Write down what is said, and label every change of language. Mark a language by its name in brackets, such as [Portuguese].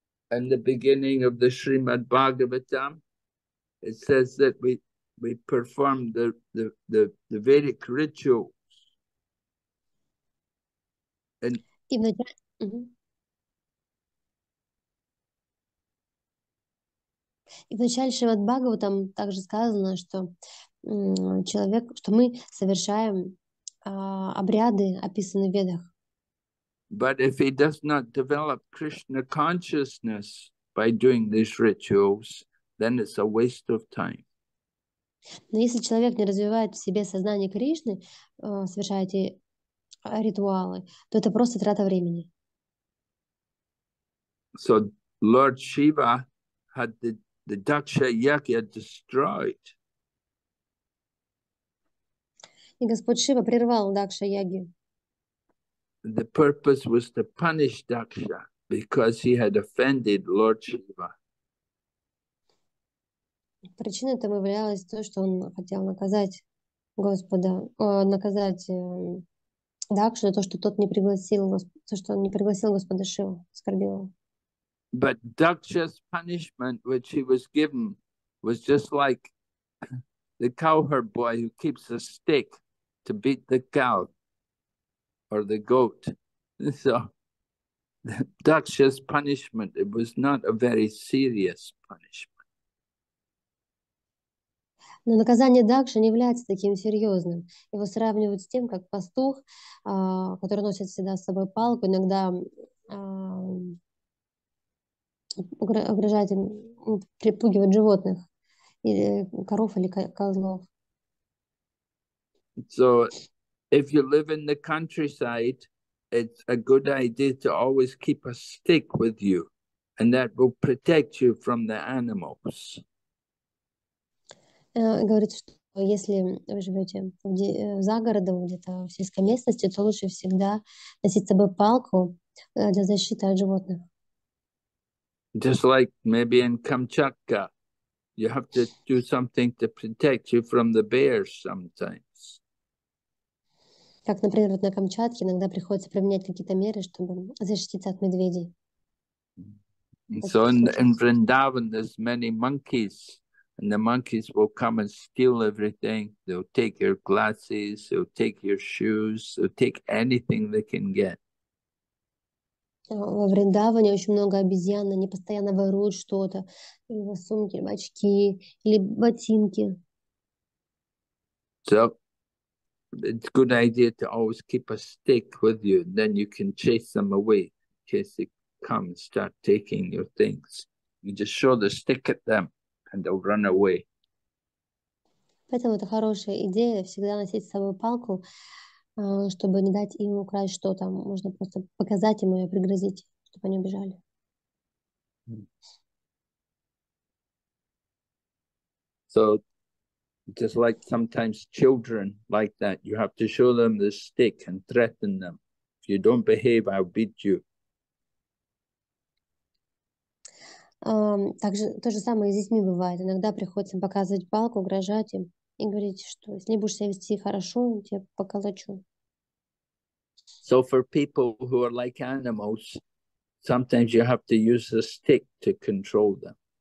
[English] In the beginning of the Srimad Bhagavatam, it says that we perform the Vedic rituals. [Russian] И в начале... И в начале Шримад Бхагаватам также сказано, что человек, что мы совершаем обряды, описанные в ведах. [English] But if he does not develop Krishna consciousness by doing these rituals, then it's a waste of time. [Russian] Но если человек не развивает в себе сознание Кришны, совершая эти ритуалы, то это просто трата времени. [English] So Lord Shiva had the Daksha Yagya destroyed. [Russian] И Господь Шива прервал Дакша Яги. [English] The purpose was to punish Daksha because he had offended Lord Shiva. [Russian] Причина этому являлась то, что он хотел наказать Господа, наказать Дакшу за то, что тот не пригласил Господа, то, что он не пригласил Господа Шиву, оскорбил его. [English] But Daksha's punishment, which he was given, was just like the cowherd boy who keeps a stick to beat the cow or the goat. So Daksha's punishment, it was not a very serious punishment. [Russian] Но наказание Дакши не является таким серьезным. Его сравнивают с тем, как пастух, который носит всегда с собой палку, иногда угрожает им, припугивает животных, или коров, или козлов. [English] So, if you live in the countryside, it's a good idea to always keep a stick with you, and that will protect you from the animals. [Russian] Говорит, что если вы живете в загороде, где-то в сельской местности, то лучше всегда носить с собой палку для защиты от животных. [English] Just like maybe in Kamchatka, you have to do something to protect you from the bears sometimes. [Russian] Как, например, вот на Камчатке иногда приходится применять какие-то меры, чтобы защититься от медведей. [English] So in Vrindavan there's many monkeys, and the monkeys will come and steal everything. They'll take your glasses, they'll take your shoes, they'll take anything they can get. [Russian] Во Вриндаване очень много обезьян, они постоянно воруют что-то, либо сумки, либо очки, или ботинки. [English] So it's a good idea to always keep a stick with you, then you can chase them away in case they come and start taking your things. You just show the stick at them and they'll run away. [Russian] Поэтому это хорошая идея всегда носить с собой палку, чтобы не дать им украсть что-то. Можно просто показать им и пригрозить, чтобы они убежали. [English] So just like sometimes children like that, you have to show them the stick and threaten them. If you don't behave, I'll beat you. [Russian] Также то же самое и с детьми бывает. Иногда приходится показывать палку, угрожать им и говорить, что если не будешь себя вести хорошо, я тебя поколочу. [English] So for people who are like animals, sometimes you have to use the stick to control them.